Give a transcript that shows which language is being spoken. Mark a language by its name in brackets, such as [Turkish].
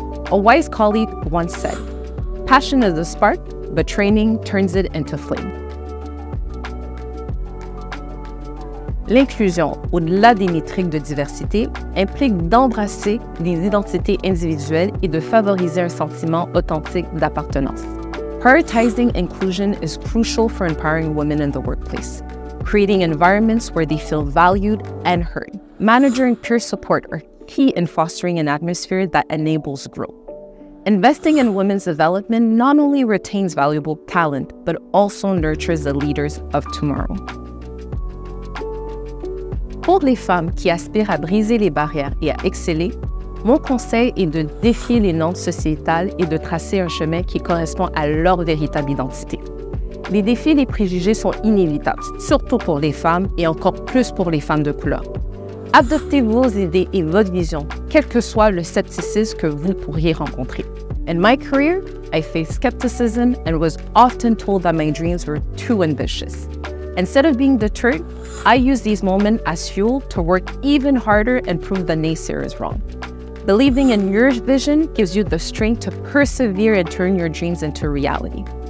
[English] A wise colleague once said, "Passion is a spark, but training turns it into flame." [French] L'inclusion, au-delà des métriques de diversité, implique d'embrasser les identités individuelles et de favoriser un sentiment authentique d'appartenance. [English] Prioritizing inclusion is crucial for empowering women in the workplace, creating environments where they feel valued and heard. Manager and peer support are key in fostering an atmosphere that enables growth. Investing in women's development not only retains valuable talent, but also nurtures the leaders of tomorrow. [French] Pour les femmes qui aspirent à briser les barrières et à exceller, mon conseil est de défier les normes sociétales et de tracer un chemin qui correspond à leur véritable identité. Les défis et les préjugés sont inévitables, surtout pour les femmes et encore plus pour les femmes de couleur. Adoptez vos idées et votre vision, quel que soit le scepticisme que vous pourriez rencontrer. [English] In my career, I faced skepticism and was often told that my dreams were too ambitious. Instead of being deterred, I use these moments as fuel to work even harder and prove the naysayers wrong. Believing in your vision gives you the strength to persevere and turn your dreams into reality.